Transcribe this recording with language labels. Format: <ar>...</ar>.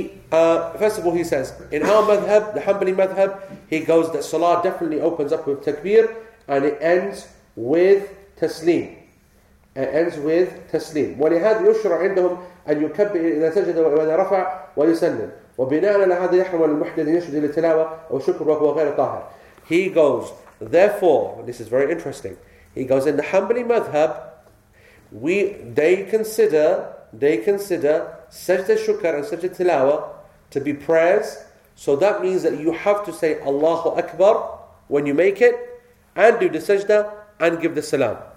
<en>First of all, he says, in our madhab, the Hanbali madhab, he goes that salah definitely opens up with takbir and it ends with taslim.</en> <ar>ولهذا يشرع عندهم أن يكبر إذا سجد وإذا رفع ويسلم وبناء على هذا يحرم المحدث يشهد للتلاوة وشكر وهو غير طاهر.</ar> <en>He goes, therefore, this is very interesting. He goes, in the Hanbali madhab, they consider sajda shukr and sajda tilawa to be prayers. So that means that you have to say Allahu Akbar when you make it, and do the sajda and give the salam.</en>